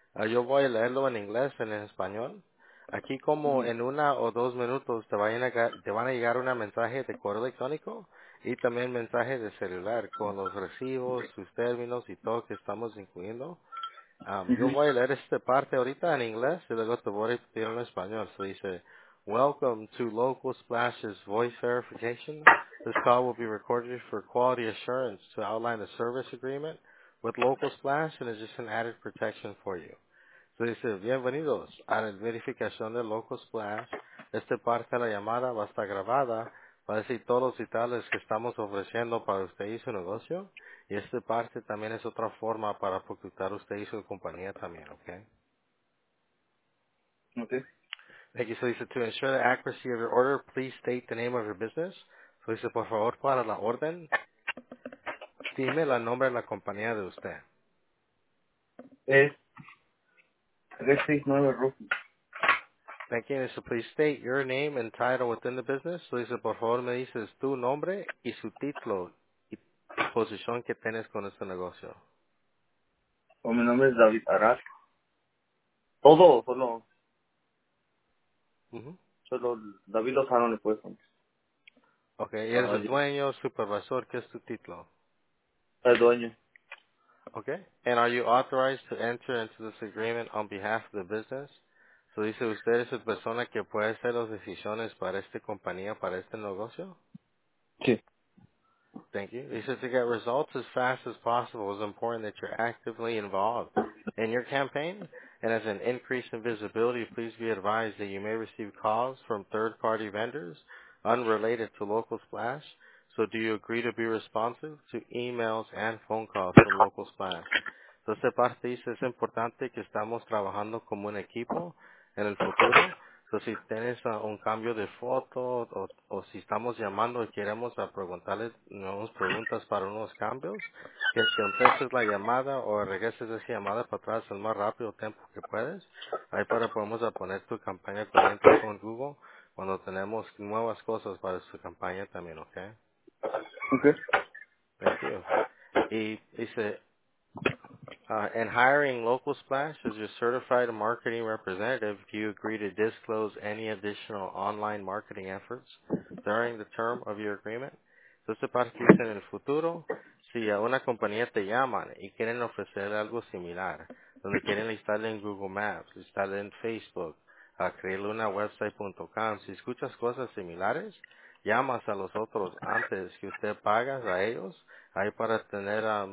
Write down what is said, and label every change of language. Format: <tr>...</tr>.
<es>Yo voy a leerlo en inglés, en español. Aquí como en una o dos minutos te van a llegar un mensaje de correo electrónico y también mensaje de celular con los recibos, sus términos y todo que estamos incluyendo. Yo voy a leer esta parte ahorita en inglés y luego te voy a repetir en español.</es> <en>So</en> <es>dice,</es> <en>welcome to Local Splash's voice verification. This call will be recorded for quality assurance to outline the service agreement with Local Splash and is just an added protection for you.</en> <es>So dice, bienvenidos a la verificación de Local Splash. Esta parte de la llamada va a estar grabada para decir todos los detalles que estamos ofreciendo para usted y su negocio. Y esta parte también es otra forma para facultar usted y su compañía también, ¿ok? Ok.</es> <en>Thank you. So,</en> <es>dice,</es> <en>to ensure the accuracy of your order, please state the name of your business.</en> <es>So, dice, por favor, para la orden, dime el nombre de la compañía de usted. Es 369 Rufi.</es> <en>Thank you, Mr. Please state your name and title within the business.</en> <es>Luisa, por favor, me dices tu nombre y su título y posición que tienes con este negocio. Oh, mi nombre es David Arras. Todo. Uh-huh. Solo David Lozano le puede contestar. Okay, y eres el dueño, supervisor, ¿qué es tu título? El dueño.</es> <en>Okay, and are you authorized to enter into this agreement on behalf of the business?</en> <es>So dice, ¿usted es la persona que puede hacer las decisiones para esta compañía, para este negocio? Sí.</es> <en>Thank you. He says, to get results as fast as possible, it's important that you're actively involved in your campaign. And as an increase in visibility, please be advised that you may receive calls from third-party vendors unrelated to Local Splash. So do you agree to be responsive to emails and phone calls from Local Splash?</en> <es>Entonces, parte dice, es importante que estamos trabajando como un equipo en el futuro. Entonces, si tienes un cambio de foto o si estamos llamando y queremos preguntarles nuevas preguntas para unos cambios, que empeces la llamada o regreses esa llamada para atrás el más rápido tiempo que puedes. Ahí para podemos poner tu campaña corriente con Google cuando tenemos nuevas cosas para su campaña también, ¿ok? Ok.</es> <en>Thank you.</en> <es>Y dice...</es> <en>In hiring Local Splash as your certified marketing representative, do you agree to disclose any additional online marketing efforts during the term of your agreement?</en> <es>Entonces, para que en el futuro, si a una compañía te llaman y quieren ofrecer algo similar, donde quieren instalar en Google Maps, instalar en Facebook, a crear una website.com, si escuchas cosas similares, llamas a los otros antes que usted pagas a ellos, ahí para tener...</es>